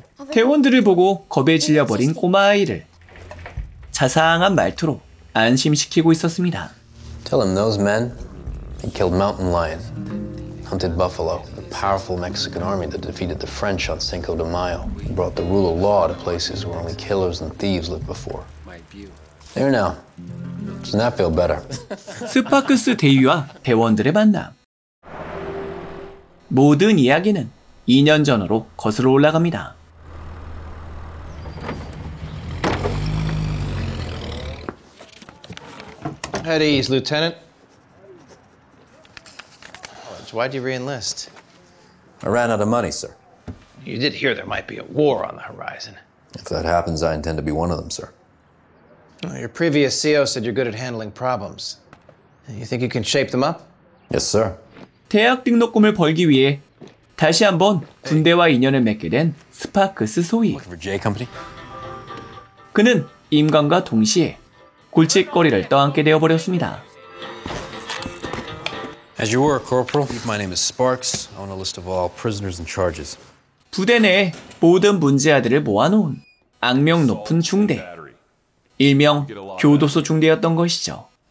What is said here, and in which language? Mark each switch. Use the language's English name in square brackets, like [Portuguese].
[Korean] 대원들을 보고 겁에 질려버린 꼬마아이를 자상한 말투로 안심시키고 있었습니다. [English] Tell him those men, they killed mountain lion, hunted buffalo, the powerful Mexican army that defeated the French on Cinco de Mayo, and brought the rule of law to places where only killers and thieves lived before. There now, doesn't that feel better? [Korean] 스파크스 대위와 대원들의 만남. 모든 이야기는 2년 전으로 거슬러 올라갑니다. [English] 헤리스 루테넌. Why did you reenlist? I ran out of money, sir. You did hear there might be a war on the horizon. If that happens, I intend to be one of them, sir. Your previous CO said you're good at handling problems. You think you can shape them up? Yes, sir. [Korean] 대학 등록금을 벌기 위해 다시 한번 군대와 인연을 맺게 된 스파크스 소위. 그는 임관과 동시에 골칫거리를 떠안게 되어 버렸습니다. [English] As you were, Corporal. My name is Sparks. I own a list of all prisoners and charges. [Korean] 부대 내 모든 문제아들을 모아놓은 악명 높은 중대. 일명 교도소 중대였던 것이죠.